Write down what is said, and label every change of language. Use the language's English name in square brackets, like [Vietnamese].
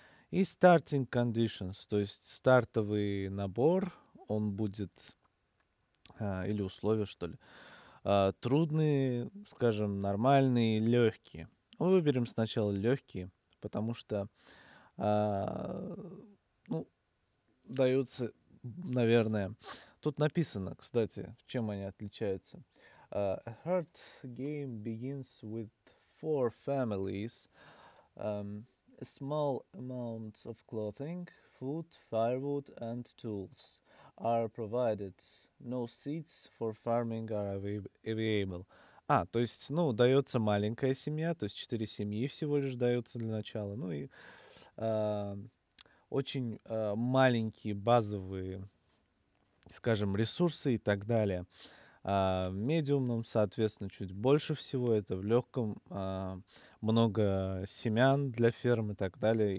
[Russian] И [English] starting conditions, [Russian] то есть стартовый набор, он будет, или условия, что ли, трудные, скажем, нормальные, легкие. Мы выберем сначала легкие, потому что ну, даются, наверное. Тут написано, кстати, в чем они отличаются. [English] A hard game begins with four families, a small amount of clothing, food, firewood and tools are provided. No seeds for farming are available. [Russian] А, то есть, ну, дается маленькая семья, то есть 4 семьи всего лишь дается для начала. Ну и очень маленькие базовые, скажем, ресурсы и так далее. В медиумном, соответственно, чуть больше всего. Это в легком много семян для ферм и так далее.